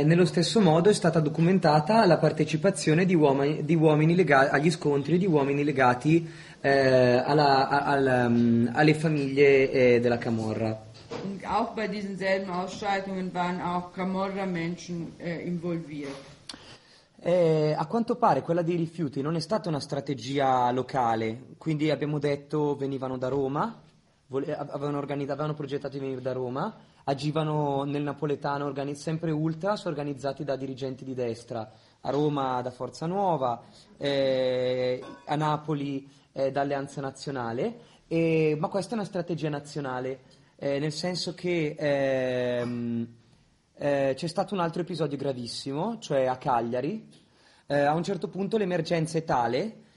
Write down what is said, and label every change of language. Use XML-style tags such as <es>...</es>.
<it>Nello stesso modo è stata documentata la partecipazione di uomini legati agli scontri di uomini legati alle famiglie della Camorra.</it> <de>Und auch bei diesen selben Ausschreitungen waren auch Camorra-Menschen involviert.</de> <it>A quanto pare quella dei rifiuti non è stata una strategia locale, quindi abbiamo detto venivano da Roma. Avevano progettato di venire da Roma, agivano nel napoletano sempre ultras organizzati da dirigenti di destra, a Roma da Forza Nuova, a Napoli da Alleanza Nazionale, ma questa è una strategia nazionale, nel senso che c'è stato un altro episodio gravissimo, cioè a Cagliari, a un certo punto l'emergenza è tale</it>